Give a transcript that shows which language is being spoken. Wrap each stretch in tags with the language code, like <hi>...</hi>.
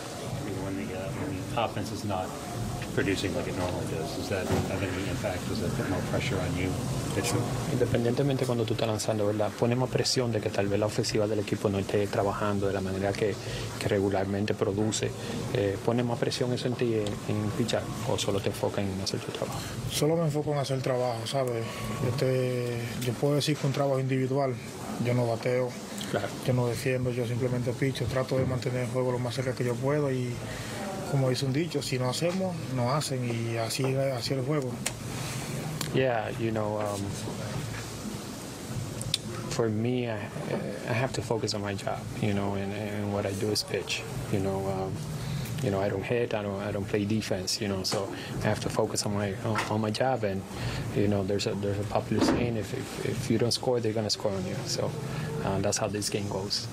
<en>When the offense is not producing like it normally does, does that have any impact? Does that put more pressure on you?</en> <es>Independientemente cuando tú estás lanzando, ¿verdad? Ponemos presión de que tal vez la ofensiva del equipo no esté trabajando de la manera que regularmente produce. ¿Ponemos presión eso en ti en pichar o solo te enfocas en hacer tu trabajo? Solo me enfoco en hacer trabajo, ¿sabes? Yo puedo decir que un trabajo individual, yo no bateo, claro. Yo no defiendo, yo simplemente picho, trato de mantener el juego lo más cerca que yo puedo y como dice un dicho, si no hacemos, no hacen y así el juego.</es> <en>Yeah, you know, for me, I have to focus on my job, you know, and what I do is pitch, you know, I don't hit, I don't play defense, you know, so I have to focus on my job, and you know, there's a popular saying, if you don't score, they're gonna score on you, so that's how this game goes.</en>